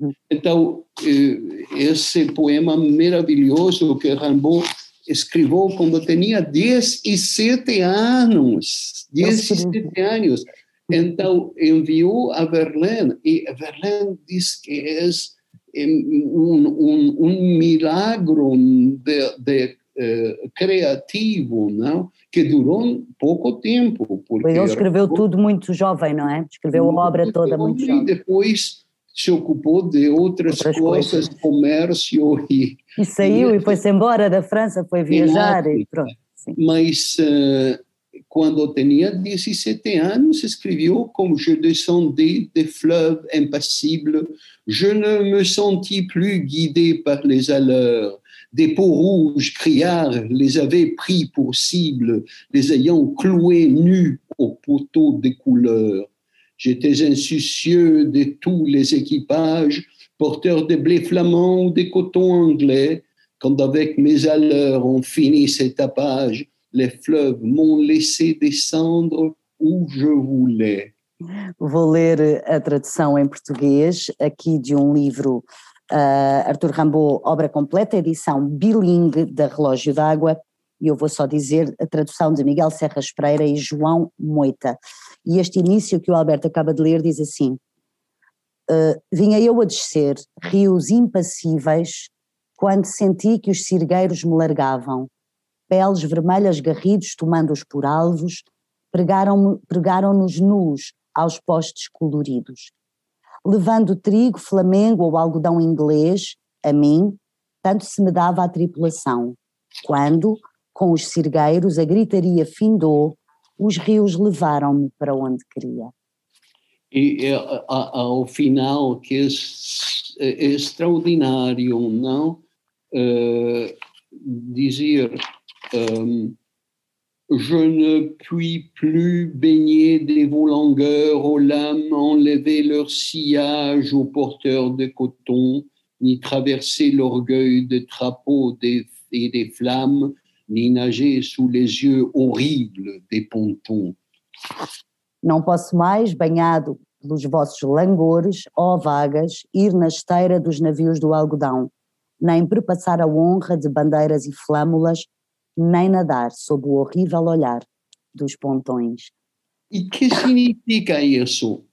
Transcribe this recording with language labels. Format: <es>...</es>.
<pt>Então, esse poema maravilhoso que Rimbaud escreveu quando tinha 17 anos, 17 anos, então enviou a Verlaine, e Verlaine diz que é um milagro de criativo, não? Que durou pouco tempo. Porque ele escreveu tudo muito jovem, não é? Escreveu a obra toda muito jovem. E depois se ocupou de outras coisas, comércio e... E saiu e foi-se embora da França, foi viajar e pronto. Sim. Mas quando tinha 17 anos, escreveu como</pt> <fr>je descendais des fleuves impassibles, je ne me sentis plus guidé par les alleurs, des peaux rouges criards les avaient pris pour cible, les ayant cloués nus aux poteaux de couleur. J'étais insoucieux de tous les équipages, porteur de blé flamand ou des cotons anglais. Quand avec mes haleurs on finit ces tapages, les fleuves m'ont laissé descendre où je voulais.</fr> <pt>Vou ler a tradução em português, aqui de um livro, Arthur Rimbaud, obra completa, edição bilingue da Relógio d'Água. E eu vou só dizer a tradução de Miguel Serras Pereira e João Moita. E este início que o Alberto acaba de ler diz assim: vinha eu a descer rios impassíveis quando senti que os sirgueiros me largavam. Peles vermelhas garridos tomando-os por alvos, pregaram-nos nus aos postes coloridos. Levando trigo, flamengo ou algodão inglês, a mim, tanto se me dava a tripulação. Quando, com os sirgueiros, a gritaria findou, os rios levaram-me para onde queria. E ao final, que é extraordinário, não? Dizer,</pt> <fr>je ne puis plus baigner des vos langueurs aux lames, enlever leur sillage aux porteurs de coton, ni traverser l'orgueil des trapeaux et des flammes, ni nager sous les yeux horribles des pontons.</fr> <pt>Não posso mais, banhado pelos vossos langores, ó vagas, ir na esteira dos navios do algodão, nem prepassar a honra de bandeiras e flâmulas, nem nadar sob o horrível olhar dos pontões. E que significa isso?</pt>